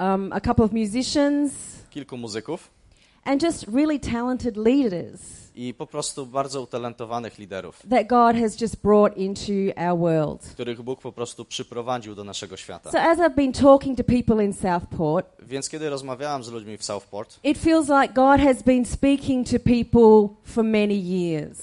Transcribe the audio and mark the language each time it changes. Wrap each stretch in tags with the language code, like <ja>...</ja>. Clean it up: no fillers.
<en>A couple of musicians.</en> <pl>Kilku muzyków.</pl> <en>And just really talented leaders.</en> <pl>I po prostu bardzo utalentowanych liderów.</pl> <en>That God has just brought into our world.</en> <pl>Których Bóg po prostu przyprowadził do naszego świata.</pl> <en>So as I've been talking to people in Southport.</en> <pl>Więc kiedy rozmawiałam z ludźmi w Southport.</pl> <en>It feels like God has been speaking to people for many years.</en>